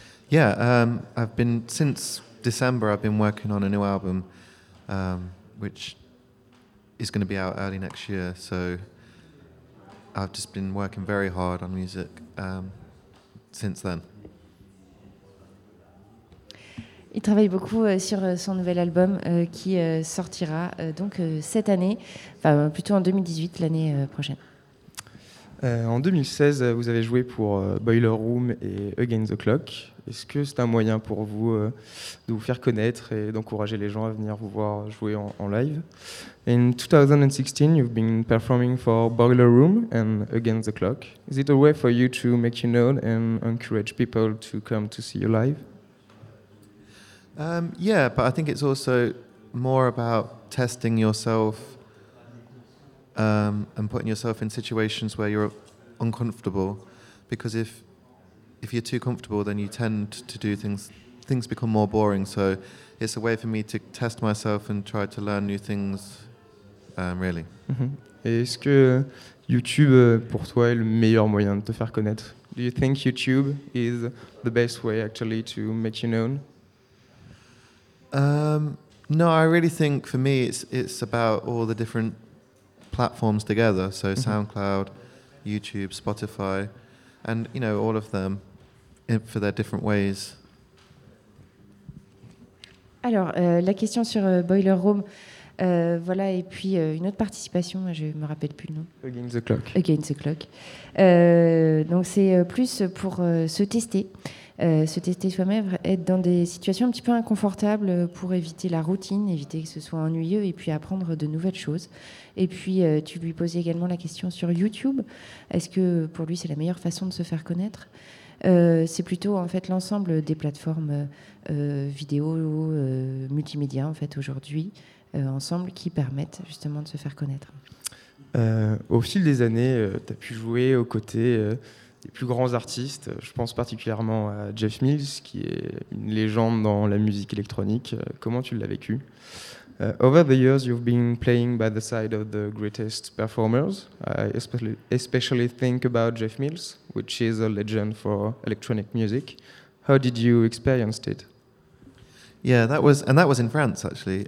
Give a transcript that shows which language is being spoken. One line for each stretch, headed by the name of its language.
English: Yeah, I've been, since December, I've been working on a new album, which is going to be out early next year. So I've just been working very hard on music since then.
French: Il travaille beaucoup sur son nouvel album qui sortira donc cette année, enfin plutôt en 2018, l'année prochaine. En 2016, vous avez joué pour Boiler Room et Against the Clock. Est-ce que c'est un moyen pour vous de vous faire connaître et d'encourager les gens à venir vous voir jouer en live?
English: In 2016, you've been performing for Boiler Room and Against the Clock. Is it a way for you to make you known and encourage people to come to see you live? Yeah, but I think it's also more about testing yourself and putting yourself in situations where you're uncomfortable, because if you're too comfortable, then you tend to do things become more boring. So it's a way for me to test myself and try to learn new things, really. Mm-hmm.
French: Et est-ce que YouTube pour toi est le meilleur moyen de te faire connaître?
English: Do you think YouTube is the best way actually to make you known? No, I really think for me it's about all the different platforms together, so mm-hmm. SoundCloud, YouTube, Spotify, and you know all of them for their different ways.
French: Alors la question sur Boiler Room, voilà, et puis une autre participation, je me rappelle plus le nom. Against the Clock. Against the Clock. Donc c'est plus pour se tester. Se tester soi-même, être dans des situations un petit peu inconfortables pour éviter la routine, éviter que ce soit ennuyeux et puis apprendre de nouvelles choses. Et puis tu lui posais également la question sur YouTube, est-ce que pour lui c'est la meilleure façon de se faire connaître? C'est plutôt en fait l'ensemble des plateformes vidéo, multimédia en fait aujourd'hui, ensemble, qui permettent justement de se faire connaître. Au fil des années, tu as pu jouer aux côtés les plus grands artistes, je pense particulièrement à Jeff Mills, qui est une légende dans la musique électronique. Comment tu l'as vécu?
English: Over the years, you've been playing by the side of the greatest performers. I especially think about Jeff Mills, which is a legend for electronic music. How did you experience it? Yeah, that was in France, actually.